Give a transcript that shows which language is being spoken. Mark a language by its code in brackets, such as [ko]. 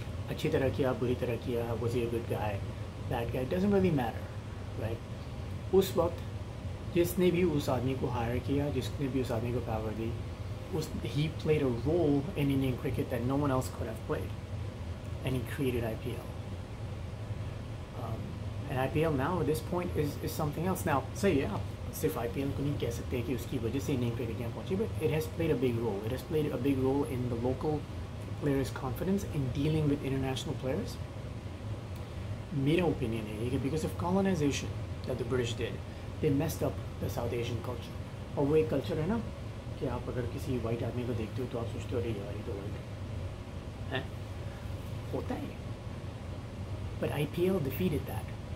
[hi] अच्छी तरह किया बुरी तरह किया [en] Was he a good guy That guy doesn't really matter, right? [hi] उस वक्त जिसने भी उस आदमी को हायर किया जिसने भी उस आदमी को पावर दी उस [en] he played a role in Indian cricket that no one else could have played. And he created IPL. And IPL now at this point is something else. Now say yeah, [hi] सिर्फ IPL को नहीं कह सकते कि उसकी वजह से Indian cricket यहाँ पहुँची [en] but it has played a big role. It has played a big role in the local players' confidence in dealing with international players. [hi] मेरा ओपिनियन है कि [en] Because of colonisation that the British did they messed up the South Asian culture. [hi] और वो एक culture है ना कि आप अगर किसी वाइट आदमी को देखते हो तो आप सोचते हो अरे यार ये तो वाइट है. होता है [en] But IPL defeated that.